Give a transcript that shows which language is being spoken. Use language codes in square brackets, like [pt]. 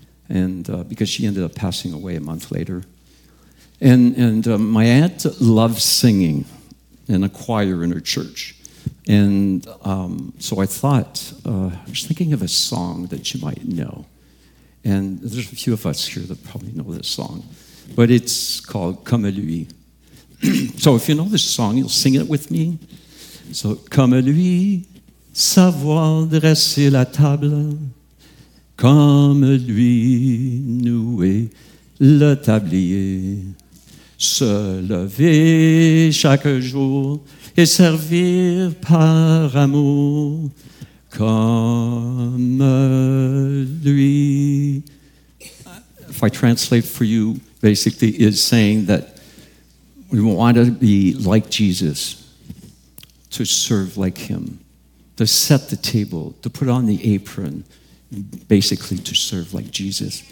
[en] And because she ended up passing away a month later. And my aunt loved singing in a choir in her church. And so I thought, I was thinking of a song that she might know. And there's a few of us here that probably know this song. But it's called Comme à lui. So if you know this song, you'll sing it with me. [fr] So, comme à lui, savoir dresser la table. Comme à lui, nouer le tablier. Se lever chaque jour et servir par amour. Comme à lui. [en] If I translate for you, basically is saying that we want to be like Jesus, to serve like him, to set the table, to put on the apron, basically to serve like Jesus.